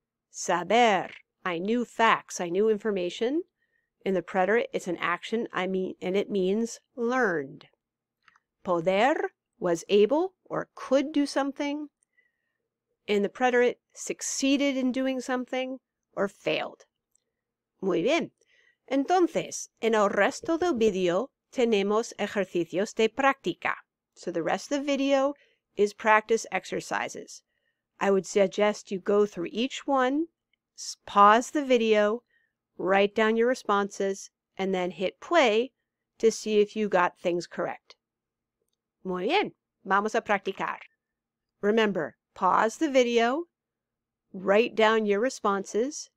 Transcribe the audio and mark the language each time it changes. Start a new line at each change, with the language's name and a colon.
English: Saber, I knew facts, I knew information. In the preterite, it's an action, I mean, and it means learned. Poder, was able or could do something. In the preterite, succeeded in doing something or failed.
Spanish: Muy bien. Entonces, en el resto del video, tenemos ejercicios de práctica.
English: So the rest of the video is practice exercises. I would suggest you go through each one, pause the video, write down your responses, and then hit play to see if you got things correct.
Spanish: Muy bien, vamos a practicar.
English: Remember, pause the video, write down your responses.